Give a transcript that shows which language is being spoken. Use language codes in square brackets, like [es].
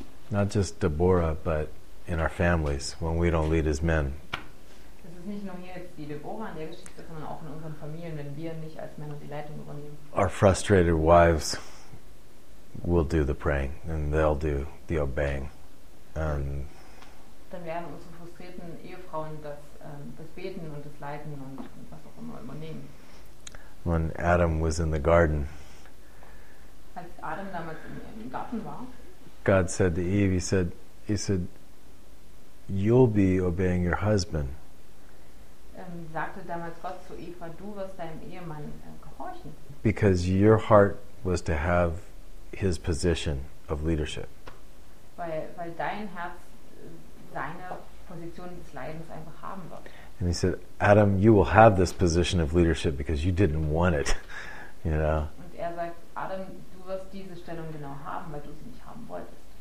[en] not just Deborah, but in our families, when we don't lead as men. [de] Es ist nicht nur hier jetzt die Deborah in der Geschichte, sondern auch in unseren Familien, wenn wir nicht als Männer die Leitung übernehmen. [en] Our frustrated wives will do the praying and they'll do the obeying. [de] Dann werden unsere frustrierten Ehefrauen das Beten und das Leiten und was auch immer übernehmen. [en] When Adam was in the garden, [de] als Adam damals im Garten war, [en] God said to Eve, he said, you'll be obeying your husband. [de] Sagte damals Gott zu Eva, du wirst deinem Ehemann gehorchen. [en] Because your heart was to have his position of leadership. [de] Weil dein Herz seine Position des Leidens einfach haben wird. [en] And he said, Adam, you will have this position of leadership because you didn't want it, you know. [de] Und er sagt, Adam, du wirst diese Stellung genau haben, weil du sie nicht haben wolltest.